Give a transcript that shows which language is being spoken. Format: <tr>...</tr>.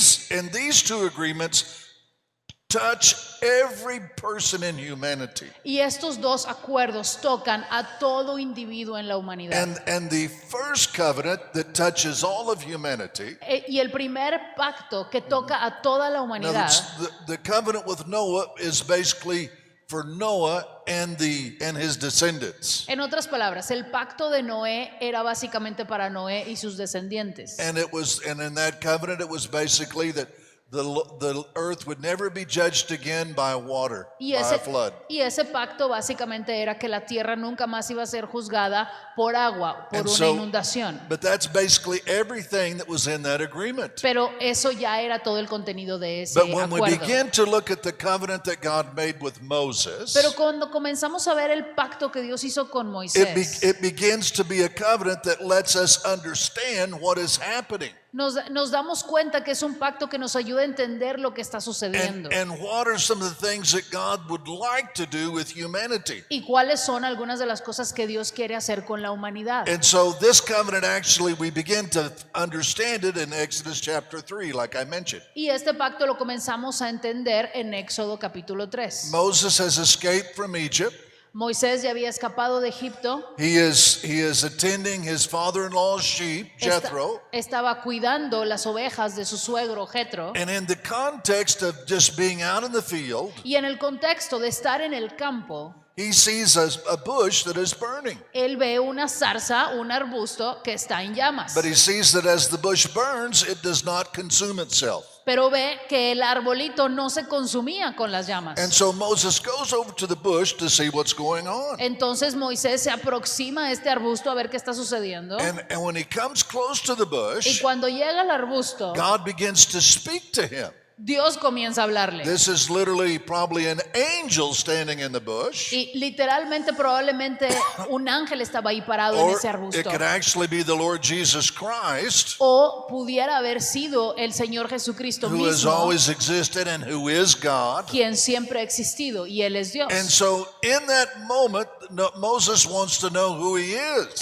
<en>And these two agreements touch every person in humanity.</en> <es>Y estos dos acuerdos tocan a todo individuo en la humanidad.</es> <en>And the first covenant that touches all of humanity.</en> <es>Y el primer pacto que toca a toda la humanidad.</es> <en>Now the covenant with Noah is basically for Noah and his descendants.</en> <es>En otras palabras, el pacto de Noé era básicamente para Noé y sus descendientes.</es> <en>And in that covenant it was basically that the earth would never be judged again by water, by a flood.</en> <es>Y ese pacto básicamente era que la tierra nunca más iba a ser juzgada por agua, por</es> <en>and</en> <es>una</es> <en>so,</en> <es>inundación.</es> <en>But that's basically everything that was in that agreement.</en> <es>Pero eso ya era todo el contenido de ese acuerdo.</es> <en>But when we begin to look at the covenant that God made with Moses,</en> <es>pero cuando comenzamos a ver el pacto que Dios hizo con Moisés,</es> <en>it begins to be a covenant that lets us understand what is happening.</en> <es>Nos damos cuenta que es un pacto que nos ayuda a entender lo que está sucediendo.</es> <en>And what are some of the things that God would like to do with humanity?</en> <es>¿Y cuáles son algunas de las cosas que Dios quiere hacer con la humanidad?</es> <en>And so this covenant actually we begin to understand it in Exodus chapter 3, like I mentioned.</en> <es>Y este pacto lo comenzamos a entender en Éxodo capítulo 3.</es> <en>Moses has escaped from Egypt.</en> <es>Moisés ya había escapado de Egipto.</es> <en>He is attending his father-in-law's sheep, Jethro.</en> <es>Estaba cuidando las ovejas de su suegro, Jethro.</es> <en>And in the context of just being out in the field,</en> <es>y en el contexto de estar en el campo,</es> <en>he sees a bush that is burning.</en> <es>Él ve una zarza, un arbusto que está en llamas.</es> <en>But he sees that as the bush burns, it does not consume itself.</en> <es>Pero ve que el arbolito no se consumía con las llamas.</es> <en>And so Moses goes over to the bush to see what's going on.</en> <es>Entonces Moisés se aproxima a este arbusto a ver qué está sucediendo.</es> <en>And when he comes close to the bush,</en> <es>y cuando llega al arbusto,</es> <en>God begins to speak to him.</en> <es>Dios comienza a hablarle.</es> <en>This is literally probably an angel standing in the bush.</en> <es>Y literalmente probablemente un ángel estaba ahí parado</es> <en>or</en> <es>en ese arbusto.</es> <en>It could actually be the Lord Jesus Christ.</en> <es>O pudiera haber sido el Señor Jesucristo</es> <en>who</en> <es>mismo.</es> <en>Who has always existed and who is God.</en> <es>Quien siempre ha existido y él es Dios.</es> <en>And so in that moment Moses wants to know who he is.</en>